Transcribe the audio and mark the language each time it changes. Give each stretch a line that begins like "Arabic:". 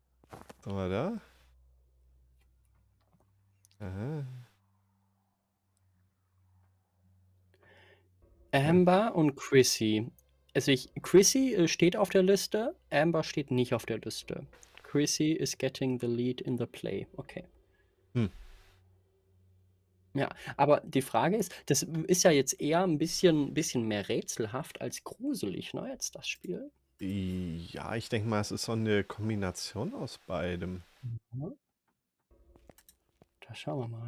German: Was haben wir da? Aha. Amber und Chrissy. Also Chrissy steht auf der Liste, Amber steht nicht auf der Liste.
English: Chrissy is getting the lead in the play.
German: Okay. Ja, aber die Frage ist, das ist ja jetzt eher ein bisschen mehr rätselhaft als gruselig, ne, jetzt das Spiel. Ja, ich denke mal, es ist so eine Kombination aus beidem. Mhm. Da schauen wir mal.